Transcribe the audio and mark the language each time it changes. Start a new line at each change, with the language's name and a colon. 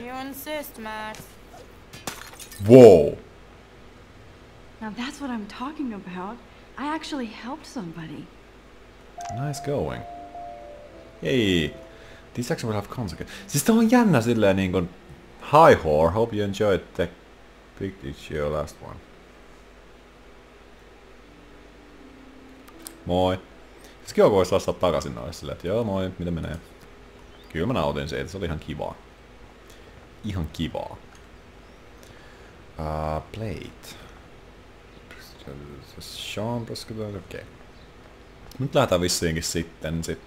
English: You insist, Max. Whoa. Now that's what I'm talking about. I actually helped somebody. Nice going. Hey. This action will have consequences.
Finnish: Siis tää on jännä silleen niinku...
English: Hi whore, hope you enjoyed the picture your last one.
Finnish: Moi. Siis kiva kun vois laittaa takaisin noille silleen, että joo moi, miten menee? Kyllä mä nautin siitä, se oli ihan kivaa. Ihan kivaa.
English: Plate.
Finnish: Sean Prescott, okei. Nyt lähdetään vissiinkin sitten.